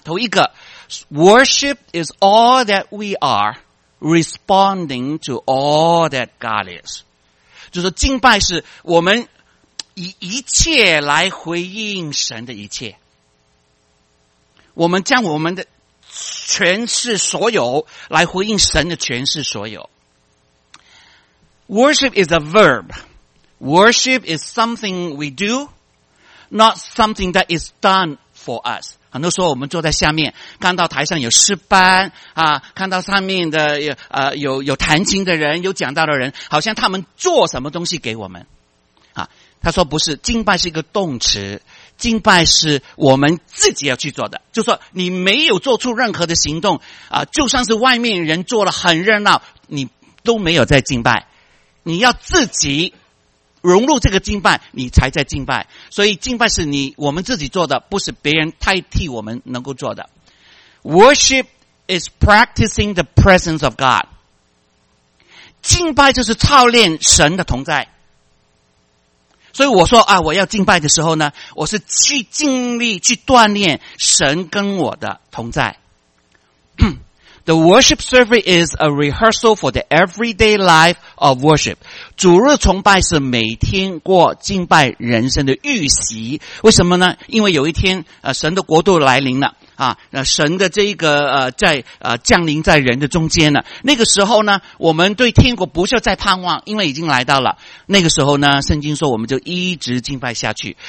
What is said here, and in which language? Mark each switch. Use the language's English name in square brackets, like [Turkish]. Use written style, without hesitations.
[Chinese] 头一个 ， [English] Worship is all that we are responding to all that God is， [Chinese] 就是敬拜是我们以一切来回应神的一切，我们将我们的全是所有来回应神的全是所有。 [English] Worship is a verb. Worship is something we do, not something that is done for us. [Chinese] 很多时候我们坐在下面，看到台上有诗班啊，看到上面的有弹琴的人，有讲道的人，好像他们做什么东西给我们啊。他说不是，敬拜是一个动词，敬拜是我们自己要去做的，就说你没有做出任何的行动啊，就算是外面人做了很热闹，你都没有在敬拜，你要自己融入这个敬拜，你才在敬拜。所以敬拜是我们自己做的，不是别人代替我们能够做的。 [English] Worship is practicing the presence of God， [Chinese] 敬拜就是操练神的同在。所以我说啊，我要敬拜的时候呢，我是去尽力去锻炼神跟我的同在。 [English] The worship service is a rehearsal for the everyday life of worship. [Chinese] 主日崇拜是每天过敬拜人生的预习。为什么呢？因为有一天神的国度来临了啊，神的这个在降临在人的中间了。那个时候呢，我们对天国不需再盼望，因为已经来到了。那个时候呢，圣经说我们就一直敬拜下去。